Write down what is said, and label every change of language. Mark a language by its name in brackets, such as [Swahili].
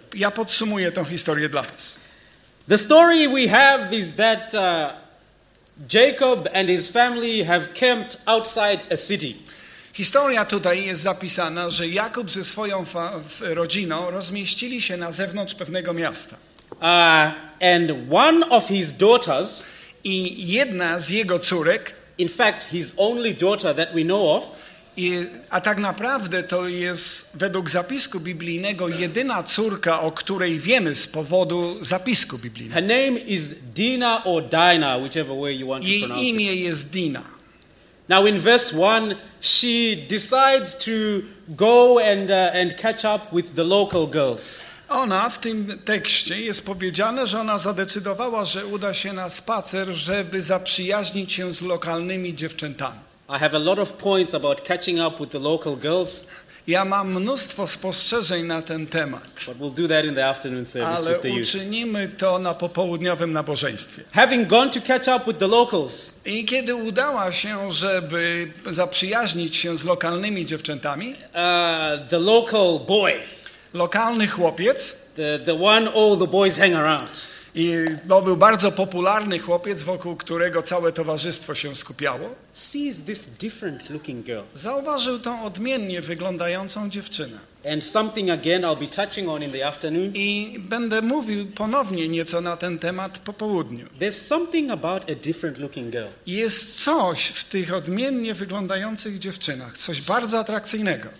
[Polish] Ja podsumuję tą historię dla was. [English] The story we have is that Jacob and his family have camped outside a city. [Polish] Historia tutaj jest zapisana, że Jakub ze swoją rodziną rozmieścili się na zewnątrz pewnego miasta. [English] And one of his daughters, [Polish] i jedna z jego córek, [English] in fact his only daughter that we know of, [Polish] a tak naprawdę to jest według zapisku biblijnego jedyna córka, o której wiemy z powodu zapisku biblijnego. [English] Her name is Dina or Dinah, whichever way you want to pronounce it. [Polish] Jej imię jest Dina. [English] Now in verse 1 she decides to go and catch up with the local girls. [Polish] Ona w tym tekście jest powiedziane, że ona zadecydowała, że uda się na spacer, żeby zaprzyjaźnić się z lokalnymi dziewczętami. [English] I have a lot of points about catching up with the local girls. [Polish] Ja mam mnóstwo spostrzeżeń na ten temat. [English] But we'll do that in the afternoon service with the youth. [Polish] Ale uczynimy to na popołudniowym nabożeństwie. [English] Having gone to catch up with the locals. [Polish] I kiedy udała się, żeby zaprzyjaźnić się z lokalnymi dziewczętami. [English] The local boy. [Polish] Lokalny chłopiec. [English] The one all the boys hang around. [Polish] I to był bardzo popularny chłopiec, wokół którego całe towarzystwo się skupiało. [English] Sees this different looking girl. [Polish] Zauważył tą odmiennie wyglądającą dziewczynę. [English] And something again I'll be touching on in the afternoon. [Polish] I będę mówił ponownie nieco na ten temat po południu. [English] There's something about a different looking girl. [Polish] Jest coś w tych odmiennie wyglądających dziewczynach, coś bardzo atrakcyjnego.